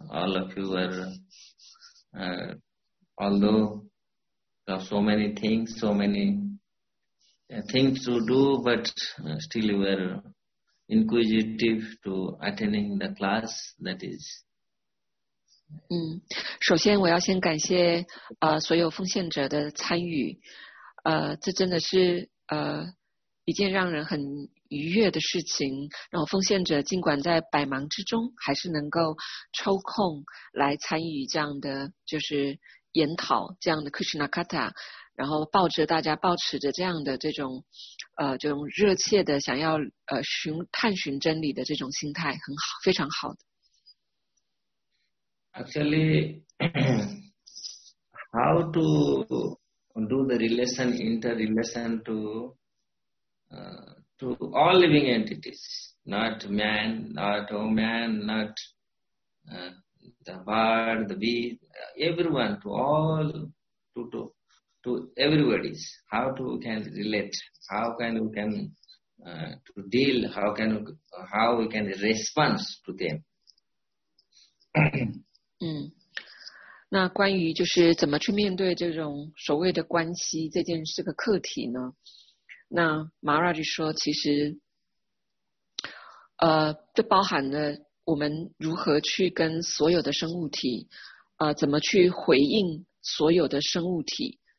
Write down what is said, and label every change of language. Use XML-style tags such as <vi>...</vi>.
<en>All of you are, although there are so many things, so manythings to do, but still you were inquisitive to attending the class. That is.</en> <zh>首先我要先感谢所有奉献者的参与，这真的是一件让人很愉悦的事情。然后奉献者尽管在百忙之中，还是能够抽空来参与这样的就是研讨这样的 Krishna Katha。然后抱着大家抱持着这样的这种热切的想要探寻真理的这种心态，很好，非常好的。</zh> <en>Actually, how to do the relation, interrelation to all living entities, not man, not woman, not the bird, the bee, everyone, to everybody, how to can relate, how can we can to deal, how we can respond to them.</en> <zh>那关于就是怎么去面对这种所谓的关系这件这个课题呢？那 Maharaj 说，其实这包含了我们如何去跟所有的生物体，怎么去回应所有的生物体。</zh>